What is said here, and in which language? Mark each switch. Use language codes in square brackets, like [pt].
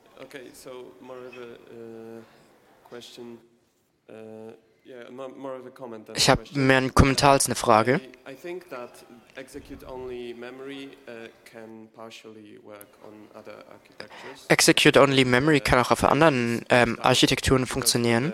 [en] Okay, so more of a question. More of a comment. [de] Ich habe mehr einen Kommentar als eine Frage. [en] I think that execute-only memory can partially work on other architectures. [de] Execute-only memory kann auch auf anderen Architekturen funktionieren.